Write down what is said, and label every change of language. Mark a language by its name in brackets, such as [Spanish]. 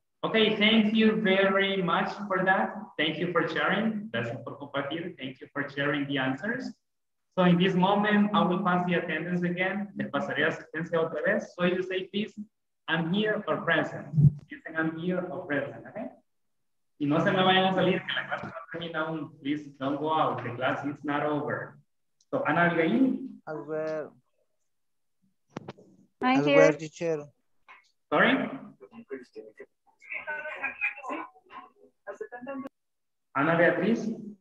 [English] Okay, thank you very much for that. Thank you for sharing. Thank you for sharing the answers. So in this moment, I will pass the attendance again. [Spanish] Les pasaré la asistencia otra vez. [English] So you say, please, I'm here or present. You say, I'm here or present, okay? [Spanish] Y no se me vayan a salir, que la clase no termina aún. [English] Please don't go out, the class is not over. So, Ana Abigail. Albert, teacher. Sorry? Ana Beatriz.